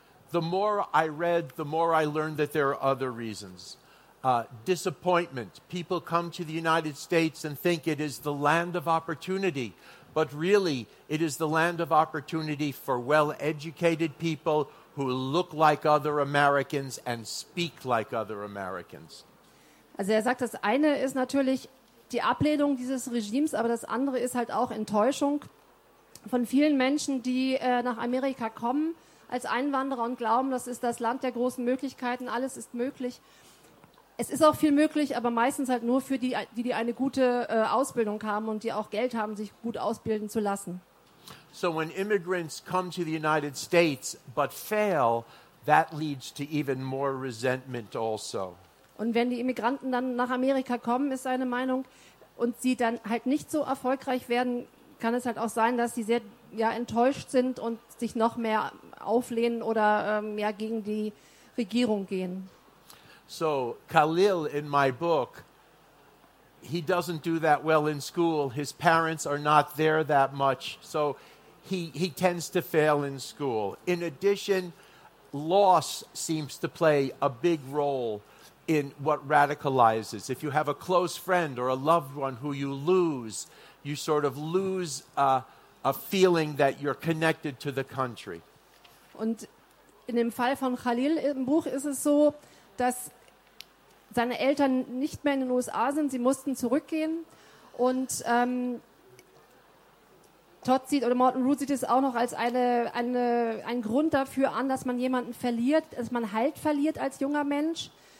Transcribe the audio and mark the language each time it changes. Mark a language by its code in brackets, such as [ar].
[en] The more I read, the more I learned that there are other reasons. Disappointment. People come to the United States and think it is the land of opportunity. But really, it is the land of opportunity for well-educated people who look like other Americans and speak like other Americans. [de] Also er sagt, das eine ist natürlich die Ablehnung dieses Regimes, aber das andere ist halt auch Enttäuschung von vielen Menschen, die nach Amerika kommen als Einwanderer und glauben, das ist das Land der großen Möglichkeiten, alles ist möglich. Es ist auch viel möglich, aber meistens halt nur für die eine gute Ausbildung haben und die auch Geld haben, sich gut ausbilden zu lassen. [en] So when immigrants come to the United States but fail, that leads to even more resentment also. [de] Und wenn die Immigranten dann nach Amerika kommen, ist seine Meinung, und sie dann halt nicht so erfolgreich werden, kann es halt auch sein, dass sie sehr enttäuscht sind und sich noch mehr auflehnen oder mehr gegen die Regierung gehen. [en] So Khalil in my book, he doesn't do that well in school. His parents are not there that much, so he tends to fail in school. In addition, loss seems to play a big role in what radicalizes. If you have a close friend or a loved one who you lose, you sort of lose a feeling that you're connected to the country. [de] Und in dem Fall von Khalil im Buch ist es so, dass seine Eltern nicht mehr in den USA sind, sie mussten zurückgehen. Und Todd sieht, oder Morton Root sieht es auch noch als einen Grund dafür an, dass man jemanden verliert, dass man Halt verliert als junger Mensch.